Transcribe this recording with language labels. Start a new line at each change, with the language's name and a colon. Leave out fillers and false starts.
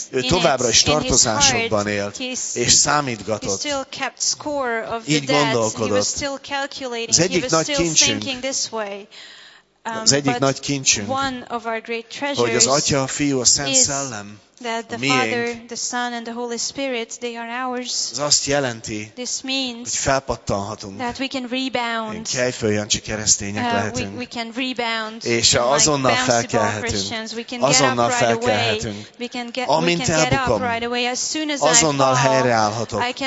Hungarian: Ő továbbra is tartozásokban élt. És számítgatott.
English: He still kept score of the debts. He was still calculating. He was still thinking this way.
Hungarian: Az egyik nagy kincsünk,
English: one of our great treasures,
Hungarian: hogy az Atya, a Fiú, a Szent Szellem,
English: that the Father, the Son, and the Holy Spirit, they are ours.
Hungarian: Ez azt jelenti,
English: this means
Hungarian: hogy felpattanhatunk.
English: That we can rebound.
Hungarian: Én Kejfőn Jancsi keresztények lehetünk.
English: We can rebound.
Hungarian: És azonnal felkelhetünk. Azonnal felkelhetünk. Amint elbukom, azonnal helyreállhatok.